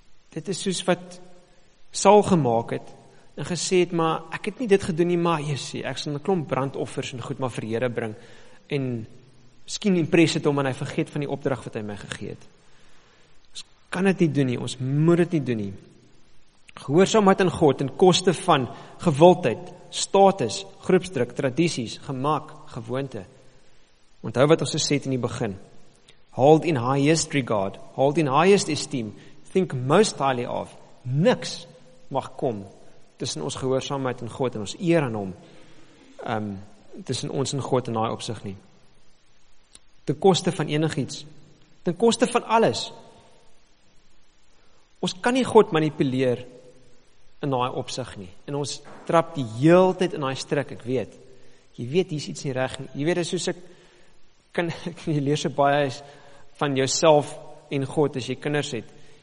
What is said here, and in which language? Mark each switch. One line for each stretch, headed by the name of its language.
Afrikaans: Dit is soos wat Saul gemaak het, en gesê het, maar ek het nie dit gedoen nie, maar jy sê, ek sal 'n klomp brandoffers en goed maar vir Here bring, en miskien impres het hom, en hy vergeet van die opdrag wat hy my gegee het. Ons kan dit nie doen nie, ons moet dit nie doen nie. Gehoorsaamheid aan God ten koste van gewildheid, status, groepsdruk, tradisies, gemak, gewoonte. Onthou wat ons gesê het in die begin.
English: Hold in highest regard, hold in highest esteem, think most highly of,
Afrikaans: niks mag kom tussen ons gehoorsaamheid aan God en ons eer aan hom, tussen ons en God in daai opsig nie. Ten koste van enigiets, ten koste van alles. Ons kan nie God manipuleer in daai opsig nie. En ons trap die hele tyd in daai struik, ek weet. Jy weet, hier is iets nie reg nie. Jy weet, soos jy leer so baie van jouself en God as jy kinders het.